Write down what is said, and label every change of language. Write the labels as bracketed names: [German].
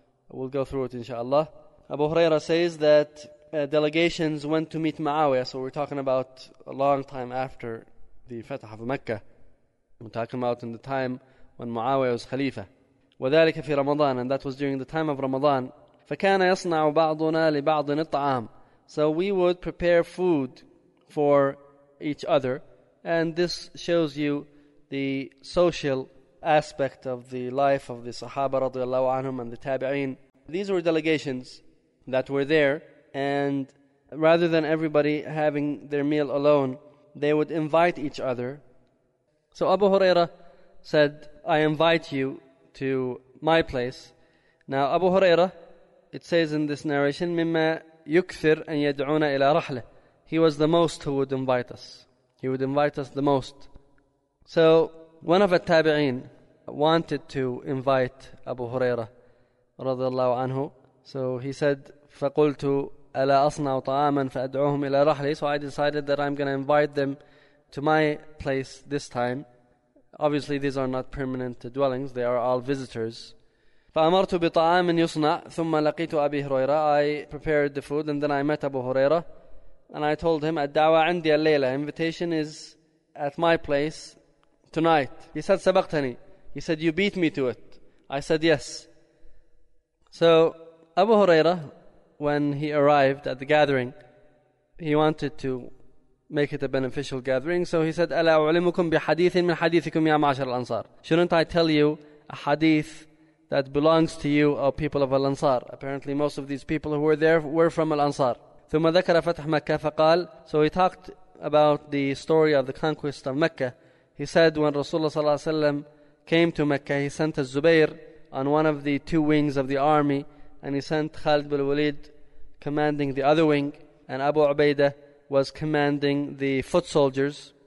[English] We'll go through it inshallah. Abu Hurairah says that delegations went to meet Muawiyah. So we're talking about a long time after the Fatah of Mecca. We're talking about in the time when Muawiyah was Khalifa. [Arabic] وذلك في رمضان, [English] and that was during the time of Ramadan. [Arabic] فكان يصنع بعضنا لبعض الطعام. [English] So we would prepare food for each other, and this shows you the social aspect of the life of the Sahaba رضي الله عنهم and the Tabi'een. These were delegations that were there, and rather than everybody having their meal alone, they would invite each other. So Abu Hurairah said, I invite you to my place. Now Abu Hurairah, it says in this narration, [Arabic] مما يكثر أن يدعونا إلى رحلة. [English] He was the most who would invite us. He would invite us the most. So one of the Tabi'een wanted to invite Abu Hurairah رضي الله عنه. So he said, [Arabic] فقلت ألا أصنع طعاما فأدعوهم إلى رحلة. [English] So I decided that I'm going to invite them to my place this time. Obviously, these are not permanent dwellings. They are all visitors. [Arabic] فَأَمَرْتُ بِطَعَامٍ يُصْنَعُ ثُمَّ لَقِيتُ أَبِي هُرَيْرَةَ. [English] I prepared the food and then I met Abu Huraira. And I told him, [Arabic] الدعوة عندي الليلة. [English] Invitation is at my place tonight. He said, [Arabic] سَبَقْتَنِي. [English] He said, you beat me to it. I said, yes. So Abu Huraira, when he arrived at the gathering, he wanted to make it a beneficial gathering. So he said, [Arabic] أَلَا أُعْلِمُكُمْ بِحَدِيثٍ مِنْ حَدِيثِكُمْ يَا مَعْشَرَ الْأَنصَارِ. [English] Shouldn't I tell you a hadith that belongs to you, O people of Al-Ansar? Apparently most of these people who were there were from Al-Ansar. [Arabic] ثُمَّ ذَكَرَ فَتْحَ مَكَّةَ فَقَالَ. [English] So he talked about the story of the conquest of Mecca. He said when Rasulullah sallallahu alayhi wa sallam came to Mecca, he sent Az-Zubayr on one of the two wings of the army, and he sent Khalid bin Walid commanding the other wing, and Abu Ubaidah was commanding the foot soldiers.